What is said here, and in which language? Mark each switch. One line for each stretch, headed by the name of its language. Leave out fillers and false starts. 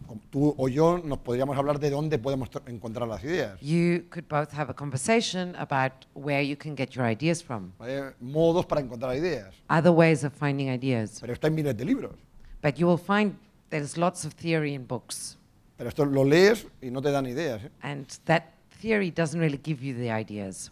Spanish: Tú o yo nos podríamos hablar de dónde podemos encontrar las ideas.
English: You could both have a conversation about where you can get your ideas from.
Spanish: Hay modos para encontrar ideas.
English: Other ways of finding ideas.
Spanish: Pero está en miles de libros. But you will find there's lots of theory in books. Pero esto lo lees y no te dan ideas. ¿Eh?
English: And that theory doesn't really give you the ideas.